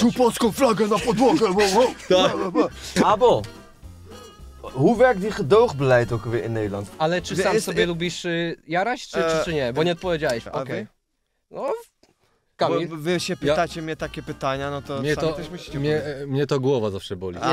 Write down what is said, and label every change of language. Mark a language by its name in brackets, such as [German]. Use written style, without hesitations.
[Polish] Rzucił polską flagę na podłogę, bo... Albo... [Dutch] Hoe werkt dich geduldbeleid ook weer in Nederland? [Polish] Ale czy sam sobie lubisz jarać, czy nie? Bo nie odpowiedziałeś. Okej. No... Kamil? Bo wy się pytacie mnie takie pytania, no to sami też musicie powiedzieć. Mnie to głowa zawsze boli.